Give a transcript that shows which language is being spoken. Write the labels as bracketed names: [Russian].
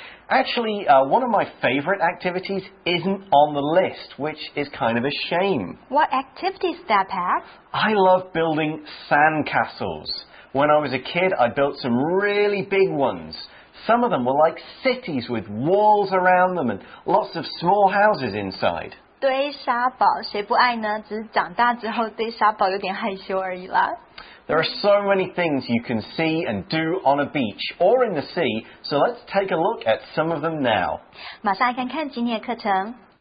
[English] Actually, one of my favorite activities isn't on the list, which is kind of a shame. What activity is that, Pat? I love building sandcastles. When I was a kid, I built some really big ones. Some of them were like cities with walls around them and lots of small houses inside. [Chinese] 堆沙堡，谁不爱呢？只是长大之后对沙堡有点害羞而已啦。 [English] There are so many things you can see and do on a beach or in the sea, so let's take a look at some of them now. [Chinese] 马上来看看今天的课程。